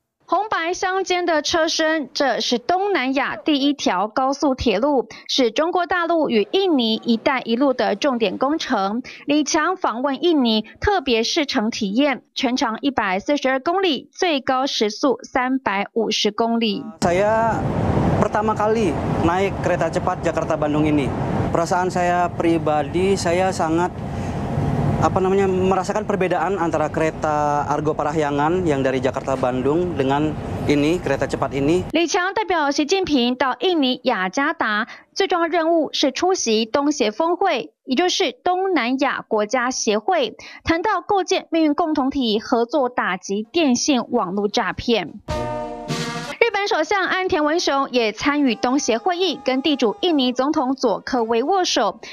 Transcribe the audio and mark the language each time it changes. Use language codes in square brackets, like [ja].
[zh] 红白相间的车身，这是东南亚第一条高速铁路，是中国大陆与印尼一带一路的重点工程。李强访问印尼，特别试乘体验，全长142公里，最高时速350公里。 [id] saya pertama kali naik kereta cepat Jakarta Bandung ini, perasaan saya pribadi saya sangat merasakan perbedaan antara kereta Argo Parahyangan yang dari Jakarta Bandung dengan ini kereta cepat ini. [zh] 李强代表习近平到印尼雅加达，最重要任务是出席东协峰会，也就是东南亚国家协会，谈到构建命运共同体，合作打击电信网络诈骗。首相安田文雄也参与东协会议，跟地主印尼总统佐科维握手。